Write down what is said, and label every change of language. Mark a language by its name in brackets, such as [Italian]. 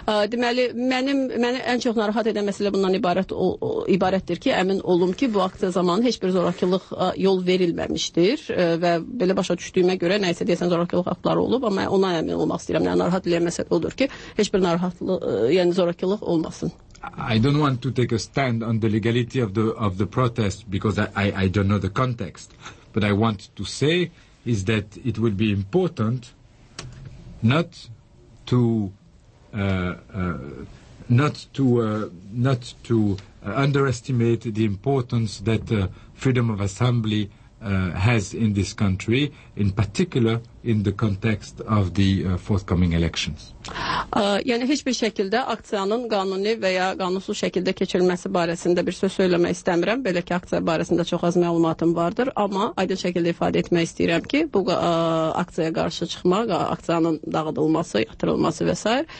[Azerbaijani] Deməli, məni ən çox narahat edən məsələ bundan ibarətdir ki, əmin olum ki, bu aksiya zamanı heç bir zorakılıq yol verilməmişdir və belə başa düşdüyümə görə nə isə deyəsən zorakılıq aktları olub, amma ona əmin olmaq istəyirəm. Yəni, narahat edən məsələ odur ki, heç bir narahatlıq, yəni zorakılıq olmasın. [English] I don't want to take a stand on the legality of the protest because I don't know the context, but I want to say is that it would be important not to underestimate the importance that freedom of assembly has in this country, in particular in the context of the forthcoming elections. [Azerbaijani] Yəni heç bir şəkildə aksiyanın qanuni və ya qanunsuz şəkildə keçirilməsi barəsində bir söz söyləmək istəmirəm. Belə ki, aksiya barəsində çox az məlumatım vardır, amma aydın şəkildə ifadə etmək istəyirəm ki, bu aksiyaya qarşı çıxmaq, aksiyanın dağıdılması, yatırılması və s.